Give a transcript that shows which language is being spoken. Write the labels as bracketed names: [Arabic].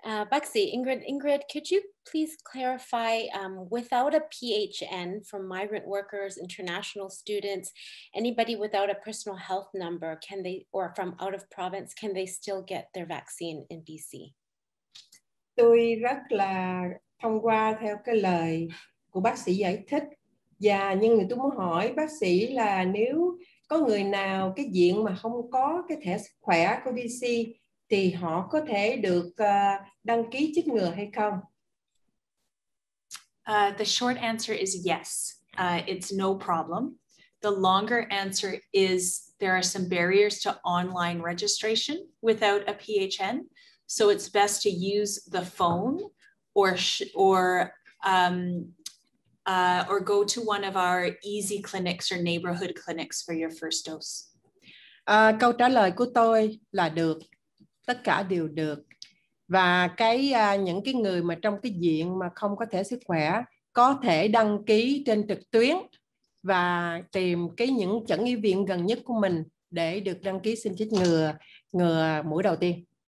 [English] Bác sĩ Ingrid, could you please clarify, without a PHN for migrant workers, international students, anybody without a personal health number, can they, or from out of province, can they still get their vaccine in BC? [Vietnamese] Tôi rất là thông qua theo cái lời của bác sĩ giải thích. Và nhưng tôi muốn hỏi bác sĩ là nếu có người nào cái diện mà không có cái thẻ sức khỏe của BC thì họ có thể được đăng ký chích ngừa hay không? [English] The short answer is yes. It's no problem. The longer answer is there are some barriers to online registration without a PHN. So it's best to use the phone or go to one of our easy clinics or neighborhood clinics for your first dose. [Vietnamese] Câu trả lời của tôi là được. Tất cả đều được. Và cái những cái người mà trong cái diện mà không có thẻ sức khỏe có thể đăng ký trên trực tuyến và tìm cái những chẩn y viện gần nhất của mình để được đăng ký xin chích ngừa mũi đầu tiên.